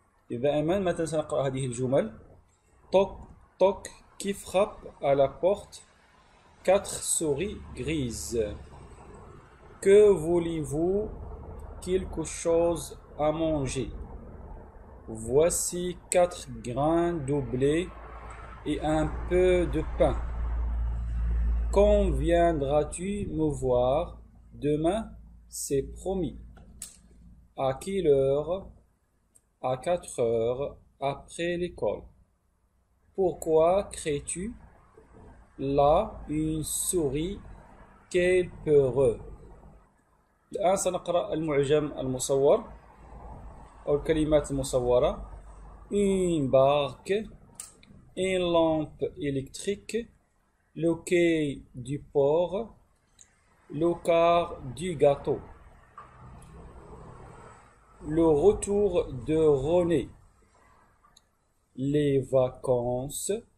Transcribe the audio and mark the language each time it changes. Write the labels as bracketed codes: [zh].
[ar] دائما مثلا سنقرأ هذه الجمل. [fr] توك توك كي فراب à la porte 4 souris grises. Que voulez-vous? Quelque chose à manger. Voici 4 grains de blé et un peu de pain. Quand viendras-tu me voir? Demain, c'est promis. À quelle heure? À 4 heures après l'école. Pourquoi crées-tu? Là, une souris, quel peureux. [ar] الآن سنقرأ المعجم المصور أو الكلمات المصورة. [fr] Une barque, une lampe électrique, le quai du port, le quart du gâteau. Le retour de René. Les vacances.